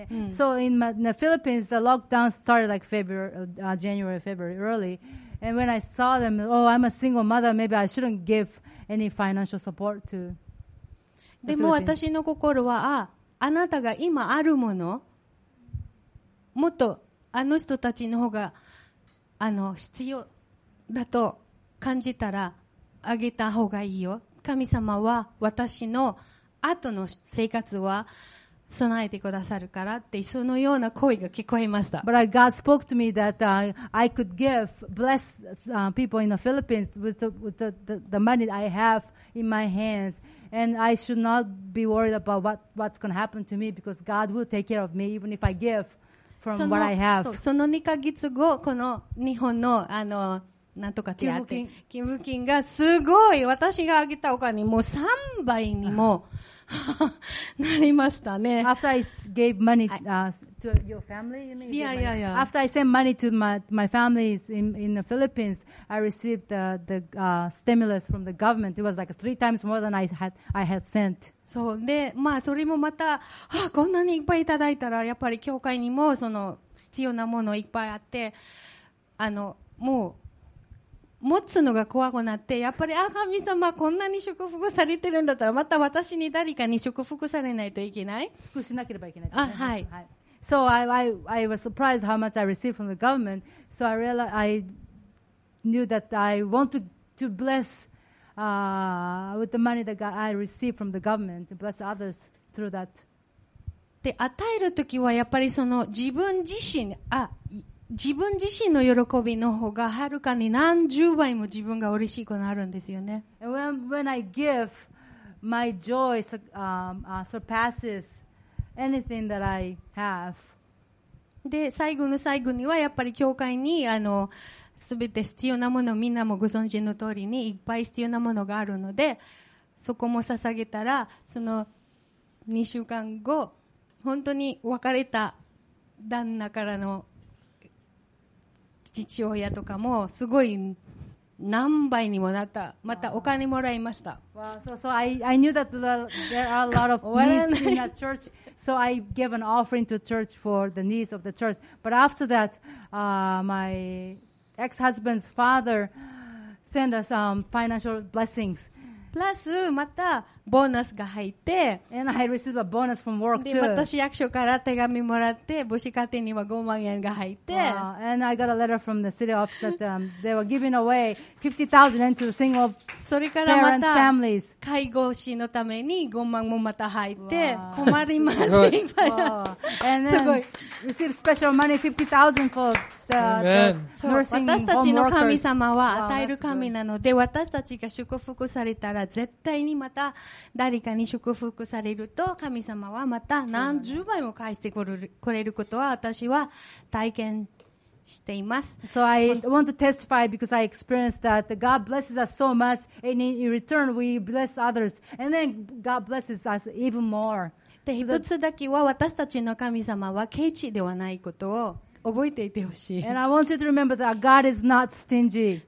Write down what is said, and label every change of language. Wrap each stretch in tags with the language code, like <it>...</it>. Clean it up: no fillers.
<en>So in the Philippines the lockdown started like January, February early and when I saw them oh I'm a single mother maybe I shouldn't give any financial support to</en> <ja>でも私の心はあなたが今あるもの、もっと人たちの方が必要だと感じたらあげた方がいいよ。神様は私の後の生活は備えてくださるからってそのような声が聞こえました。</ja> <en>But God spoke to me that I could give, bless people in the Philippines with the money I have in my hands. And I should not be worried about what's going to happen to me because God will take care of me even if I give from what I have.</en> <ja>その2ヶ月後、この日本のなんとか手当て寄付金がすごい私があげたお金もう3倍にもなりましたね。</ja> <en>After I gave money to your family, you mean? Yeah, yeah, yeah. After I sent money to my family in the Philippines, I received the stimulus from the government. It was like three times more than I had sent.</en> <ja>そうで、まあそれもまた、はあ、こんなにいっぱいいただいたらやっぱり教会にもその必要なものいっぱいあって、あのもう。持つのが怖くなってやっぱりあ神様こんなに祝福されてるんだったらまた私に誰かに祝福されないといけない祝福しなければいけない、ね、あはい、はい、</ja> <en>So I was surprised how much I received from the government so I realized I knew that I want to bless with the money that I received from the government to bless others through that</en> <ja>で与えるときはやっぱりその自分自身あ自分自身の喜びの方がはるかに何十倍も自分が嬉しくなるんですよね。</ja> <en>When I give, my joy surpasses anything that I have.</en> <ja>で、最後の最後にはやっぱり教会にあの全て必要なものみんなもご存知の通りにいっぱい必要なものがあるのでそこも捧げたらその2週間後本当に別れた旦那からの父親とかもすごい何倍にもなった。またお金もらいました。</ja> <en>Wow. Wow. So I knew that there are a lot of needs in that church. So I gave an offering to church for the needs of the church. But after that, my ex-husband's father sent us some financial blessings. Plus,</en> <ja>またボーナスが入って、</ja> <en>and I received a bonus from work too.</en> <ja>で、私役所から手紙もらって、母子家庭には5万円が入って、</ja> <en>and I got a letter from the city office that they were giving away 50,000 into the single parent</en> <ja>それからまた</ja> <en>families.</en> <ja>介護士のために5万もまた入って、困りません。すごい。</ja> <en>and then received special money 50,000 for the nursing home workers.</en> <ja>私たちの神様は与える神なので、私たちが祝福されたら絶対にまた誰かに祝福されると神様はまた何十倍も返してくれることは私は体験しています。</ja> <en>So I want to testify because I experienced that God blesses us so much and in return we bless others and then God blesses us even more.</en> <ja>で、一つだけは私たちの神様はケチではないことを覚えていてほしい。</ja> <en>And I want you to remember that God is not stingy.</en>